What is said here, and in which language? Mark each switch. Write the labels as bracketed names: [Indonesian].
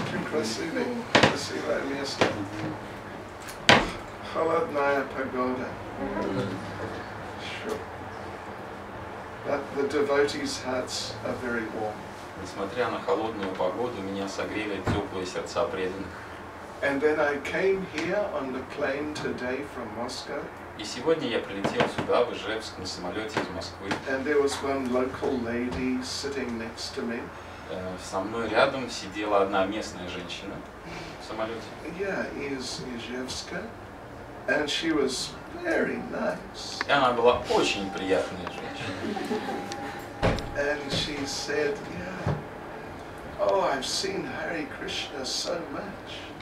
[Russian] Красивое, красивое место. Холодная погода. [English] But the devotees' hearts are very warm. [Russian] Несмотря на холодную погоду, меня согрели теплые сердца преданных. [English] And then I came here on the plane today from Moscow. [Russian] И сегодня я прилетел сюда в Ижевск на самолете из Москвы. [English] And there was one local lady sitting next to me. [Russian] Со мной рядом сидела одна местная женщина в самолете. [English] Yeah, [Russian] из Ижевска. [English] And she was very nice. [Russian] И она была очень приятная женщина. [English] And she said, "Yeah, oh, I've seen Hare Krishna so much."